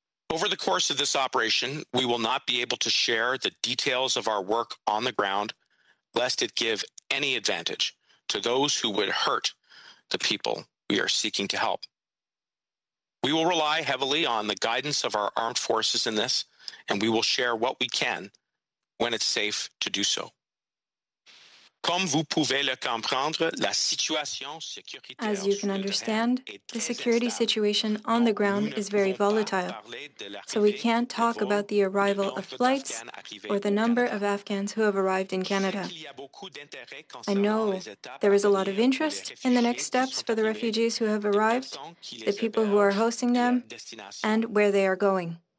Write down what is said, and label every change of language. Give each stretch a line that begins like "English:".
English: Over the course of this operation, we will not be able to share the details of our work on the ground, lest it give any advantage to those who would hurt the people we are seeking to help. We will rely heavily on the guidance of our armed forces in this, and we will share what we can when it's safe to do so.
French: Comme vous pouvez le comprendre, la situation sécuritaire.
English: As you can understand, the security situation on the ground is very volatile. So we can't talk about the arrival of flights or the number of Afghans who have arrived in Canada. I know there is a lot of interest in the next steps for the refugees who have arrived, the people who are hosting them, and where they are going.